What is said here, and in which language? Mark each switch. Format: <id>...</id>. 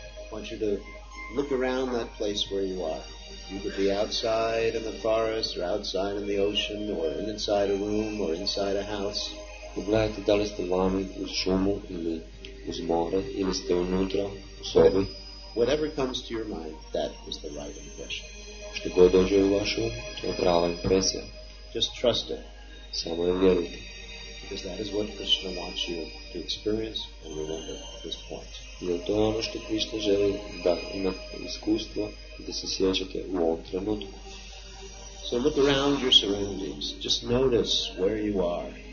<en>I want you to look around that place where you are. You could be outside in the forest or outside in the ocean or inside a room or inside a house.</en> <hr>Pogledajte da li ste vani u šumu ili uz more ili ste unutra u sobi.</hr> <en>Whatever comes to your mind, that is the right impression.</en> <hr>Što god dođe u vaš um, to je prava impresija.</hr> <en>Just trust it.</en> <hr>Samo je vjerujte.</hr> <en>Because that is what Krishna wants you to experience and remember at this point.</en> <hr>Jer to je ono što Krishna želi da imate iskustvo i da se sjećate u ovom trenutku.</hr> <en>So look around your surroundings. Just notice where you are.</en>